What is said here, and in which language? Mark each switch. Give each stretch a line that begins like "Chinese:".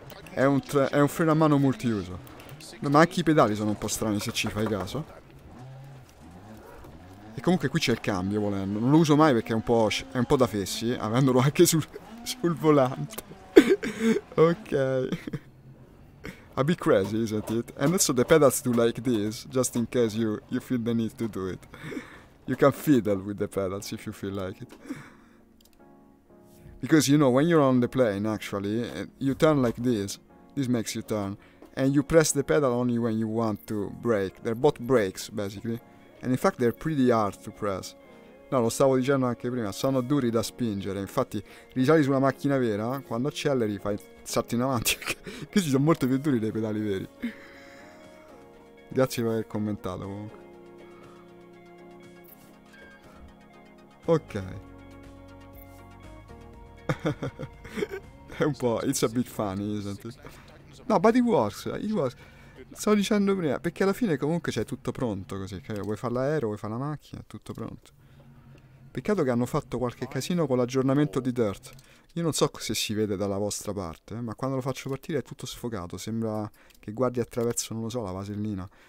Italian: È un freno a mano multiuso. Ma anche i pedali sono un po' strani se ci fai caso. E comunque qui c'è il cambio volendo. Non lo uso mai perché è un po' da fessi, avendolo anche sul volante.
English: Ok. A bit crazy, isn't it? And also the pedals do like this, just in case you feel the need to do it. You can fiddle with the pedals if you feel like it. Because, you know, when you're on the plane, actually, you turn like this. This makes you turn. And you press the pedal only when you want to brake. They're both brakes, basically. And in fact, they're pretty hard to press.
Italian: No, lo stavo dicendo anche prima, sono duri da spingere. Infatti, risali su una macchina vera, quando acceleri fai salti in avanti. Questi sono molto più duri dei pedali veri. Grazie per aver commentato comunque. Ok. È un po'.
English: It's a bit funny, isn't it? No, but it works.
Italian: Stavo dicendo prima, perché alla fine comunque c'è tutto pronto così, che vuoi fare l'aereo, vuoi fare la macchina, è tutto pronto. Peccato che hanno fatto qualche casino con l'aggiornamento di Dirt. Io non so se si vede dalla vostra parte, ma quando lo faccio partire è tutto sfocato, sembra che guardi attraverso, non lo so, la vasellina.